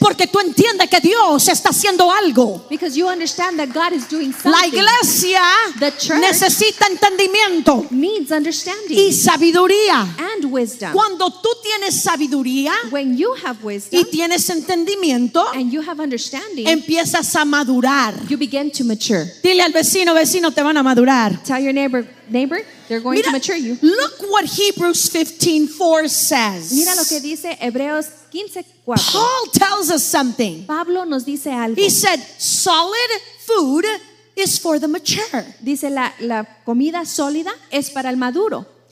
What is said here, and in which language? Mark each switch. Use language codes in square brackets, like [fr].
[es] Porque tú entiendes que Dios está haciendo algo. [en] Because you understand that God is doing something. [es] La iglesia, [en] the church, [es] necesita entendimiento, [en] needs understanding, [es] y sabiduría, [en] and wisdom. [es] Cuando tú tienes sabiduría, [en] when you have wisdom, [es] y tienes entendimiento, [en] and you have understanding, [es] empiezas a madurar, [en] you begin to mature. [es] Dile al vecino, vecino, te van a madurar. [en] Tell your neighbor, neighbor, they're going, [es] mira, [en] to mature you. Look what Hebrews 15:4 says. [es] Mira lo que dice Hebreos 15:4. [en] Paul tells us something. [es] Pablo nos dice algo. [en] He said, solid food is for the mature. [es] Dice la comida sólida es para el maduro.